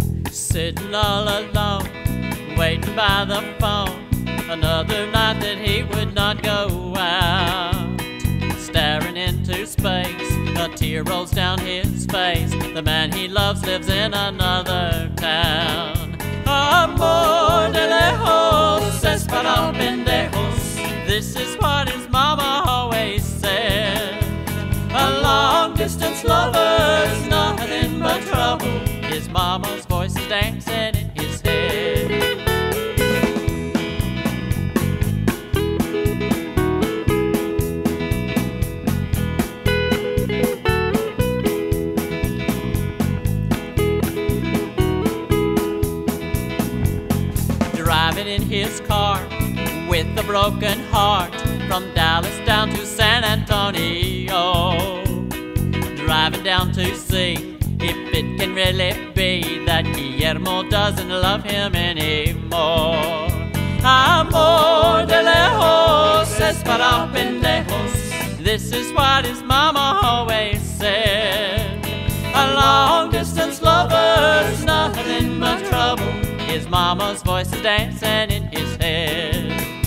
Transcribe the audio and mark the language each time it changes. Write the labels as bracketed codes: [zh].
[en] sitting all alone, waiting by the phone. Another night that he would not go out. Staring into space, a tear rolls down his face. The man he loves lives in another town. [es] Amor de lejos, es para pendejos. [en] This is what his mama always said. A long distance lover's nothing but trouble. His mama's voice is dancing in his head. Driving in his car with a broken heart, from Dallas down to San Antonio. Driving down to see if it can really be that Guillermo doesn't love him anymore. [es] Amor de lejos es para pendejos. [en] This is what his mama always said. A long distance lover's nothing but trouble. His mama's voice is dancing in his head.